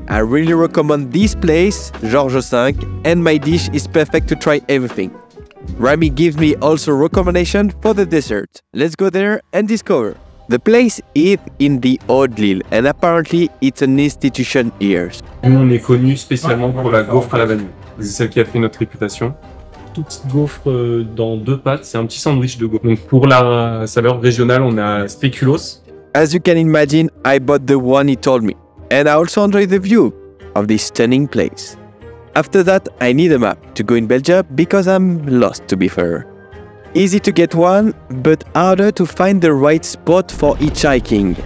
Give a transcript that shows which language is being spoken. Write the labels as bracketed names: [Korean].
[English] I really recommend this place, George V, and my dish is perfect to try everything. Rami gives me also recommendation for the dessert. Let's go there and discover. The place is in the old Lille, and apparently it's an institution here. [French] Nous, on est connu spécialement pour la gaufre à la vanille. C'est celle qui a fait notre réputation. Toute petite gaufre dans deux pâtes, c'est un petit sandwich de gaufre. Donc pour la saveur régionale, on a spéculoos. [English] As you can imagine, I bought the one he told me. And I also enjoy the view of this stunning place. After that, I need a map to go in Belgium because I'm lost, to be fair. Easy to get one, but harder to find the right spot for hitchhiking.